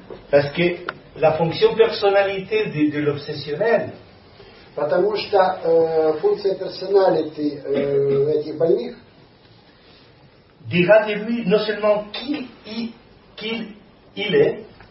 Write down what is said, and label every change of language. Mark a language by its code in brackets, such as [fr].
[fr] Parce que la fonction personnalité de l'obsessionnel. [ru] Потому что функция персоналити этих больных [fr] dira de lui non seulement qu'il il est,